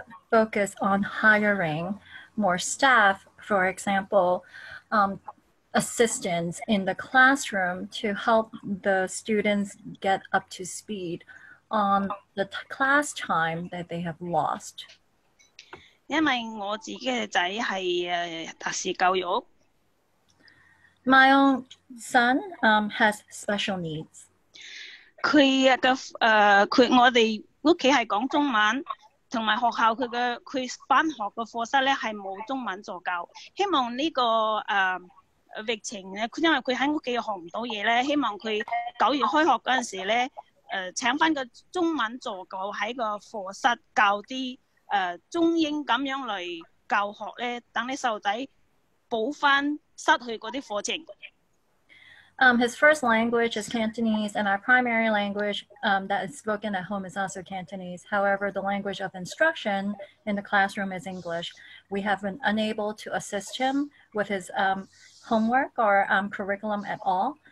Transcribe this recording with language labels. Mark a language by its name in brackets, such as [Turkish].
[English] focus on hiring more staff, for example, assistants in the classroom to help the students get up to speed on the class time that they have lost. [Cantonese] 因为我自己的仔是特殊教育, [English] my own son has special needs. [Cantonese] 我们家是讲中文, 和学校他的班学的课室是没有中文助教, 希望这个, 疫情因为他在家学不到东西希望他九月开学的时候请回中文助教在课室教一些中英这样来教学让小孩补回失去的课程. [English] His first language is Cantonese, and our primary language that is spoken at home is also Cantonese. However, the language of instruction in the classroom is English. We have been unable to assist him with his homework or curriculum at all.